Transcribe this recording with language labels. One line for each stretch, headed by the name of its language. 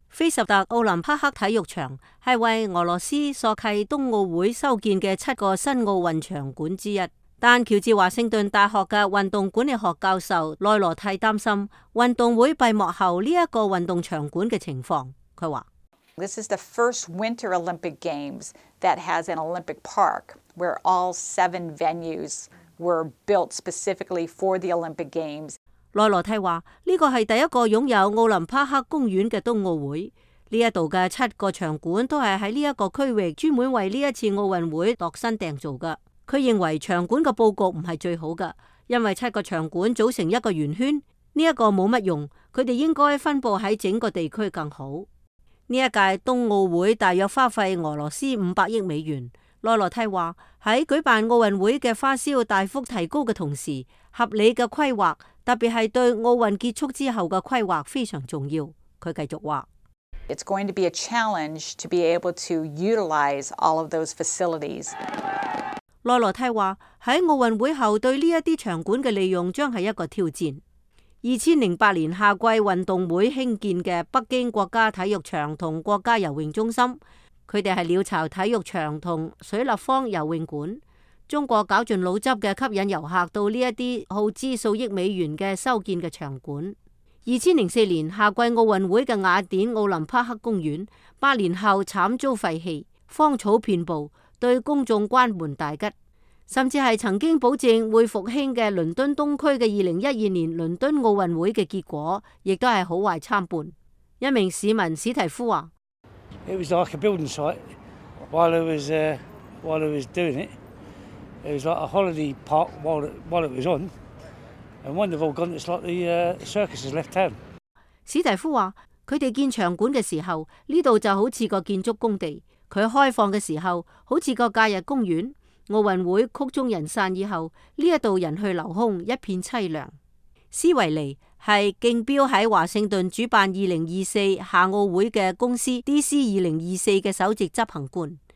Chinese: 菲什特奥林匹克体育场是为俄罗斯索契冬奥会修建的七个新奥运场馆之一，但乔治华盛顿大学的运动管理学教授内罗蒂担心运动会闭幕后这个运动场馆的情况。他说
English: This is the first winter Olympic Games that has an Olympic Park where all seven venues were built specifically for the Olympic Games。
Chinese: 内罗蒂说这个是第一个拥有奥林匹克公园的冬奥会，这里的七个场馆都是在这个区域专门为这次奥运会度身订造的。他认为场馆的布局不是最好的，因为七个场馆组成一个圆圈，这个没什么用，他们应该分布在整个地区更好。这一届冬奥会大约花费俄罗斯500亿美元。内罗蒂说在举办奥运会的花销大幅提高的同时，合理的规划，特别是对奥运结束之后的规划非常重要。他继续说
English: It's going to be a challenge to be able to utilize all of those facilities。
Chinese: 内罗蒂说在奥运会后对这些场馆的利用将是一个挑战。 2008年夏季运动会兴建的北京国家体育场和国家游泳中心，他们是鸟巢体育场和水立方游泳馆。中国绞尽脑汁的吸引游客到这些耗资数亿美元的修建的场馆。 2004年夏季奥运会的雅典奥林匹克公园八年后惨遭废弃，荒草遍布，对公众关门大吉，甚至是曾经保证会复兴的伦敦东区的2012年伦敦奥运会的结果亦都是好坏参半。一名市民史提夫说
English: It was like a building site while it was doing it. It was like a holiday park while it was on. And wonderful gun, it's like the circus has left town.
Chinese: 史提夫说他们建场馆的时候这里就好像个建筑工地，它开放的时候好像个假日公园，奥运会曲终人散以后这里人去楼空，一片凄凉。斯维尼是竞标在华盛顿主办2024夏奥会的公司 DC2024 的首席执行官。